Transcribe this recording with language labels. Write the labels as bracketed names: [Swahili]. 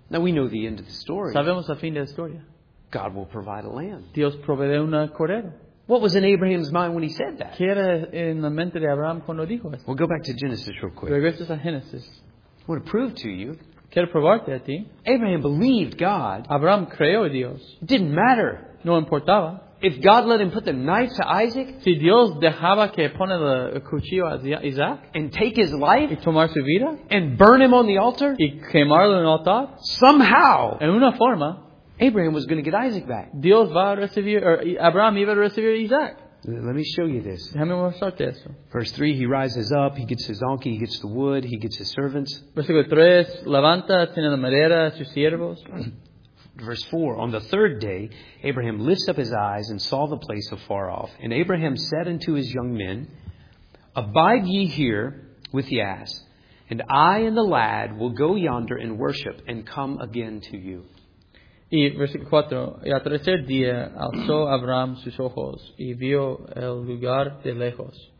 [English] Now we know the end of the story. [Spanish] Sabemos el fin de la historia. [English] God will provide a lamb. [Spanish] Dios proveerá un cordero. [English] What was in Abraham's mind when he said that? [Spanish] ¿Qué era en la mente de Abraham cuando dijo eso? [English] We'll go back to Genesis real quick. [Spanish] Regresas a Génesis. [English] I want to prove to you. [Spanish] Quiero probarte a ti. [English] Abraham believed God. [Spanish] Abraham creyó en Dios. [English] It didn't matter. [Spanish] No importaba. [English] If God let him put the knife to Isaac, [Spanish] si Dios dejaba que pone el cuchillo a Isaac, [English] and take his life, [Spanish] y tomar su vida, [English] and burn him on the altar, [Spanish] y quemarlo en el altar, [English] somehow, [Spanish] en una forma, [English] Abraham was going to get Isaac back. [Spanish] Dios va a recibir, or Abraham iba a recibir Isaac. [English] Let me show you this. [Spanish] Déjame mostrarte eso. [English] Verse 3, he rises up, he gets his donkey, he gets the wood, he gets his servants. [Spanish] Versículo 3, levanta, tiene la madera, sus siervos. [English] Verse 4, on the third day, Abraham lifts up his eyes and saw the place afar off. And Abraham said unto his young men, abide ye here with the ass, and I and the lad will go yonder and worship and come again to you. [Spanish] Y versículo 4, y al tercer día alzó Abraham sus ojos y vio el lugar de lejos.